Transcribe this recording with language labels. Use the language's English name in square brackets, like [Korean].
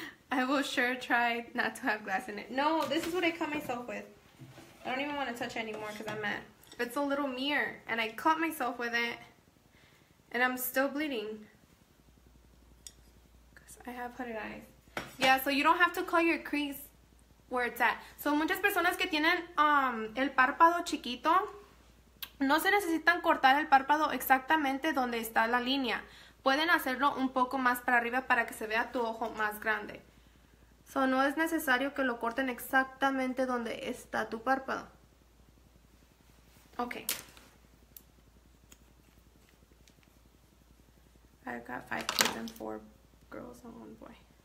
[English] I will sure try not to have glass in it. No, this is what I cut myself with. I don't even want to touch it anymore because I'm mad. It's a little mirror, and I cut myself with it, and I'm still bleeding. Because I have hooded eyes. Yeah, so you don't have to cut your crease where it's at. [Spanish] So muchas personas que tienen el párpado chiquito, no se necesitan cortar el párpado exactamente donde está la línea. Pueden hacerlo un poco más para arriba para que se vea tu ojo más grande. So, no es necesario que lo corten exactamente donde está tu párpado. [English] Okay. I got 5 kids and 4 girls and 1 boy.